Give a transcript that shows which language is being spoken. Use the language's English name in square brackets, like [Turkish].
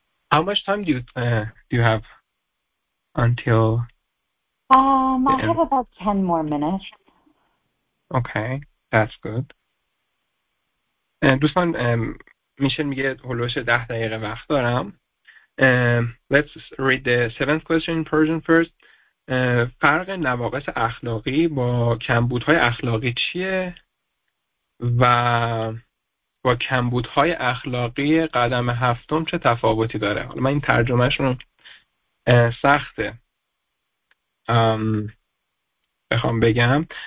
[English] How much time do you have until? I have about 10 more minutes. Okay, that's good. [Persian] دوستان میشل میگه هلوش 10 دقیقه وقت دارم. [English] Let's read the seventh question in Persian first. [Persian] فرق نواقص اخلاقی با کمبودهای اخلاقی چیه و با کمبودهای اخلاقی قدم هفتم چه تفاوتی داره؟ حالا من این ترجمهش رو سخته بخوام بگم.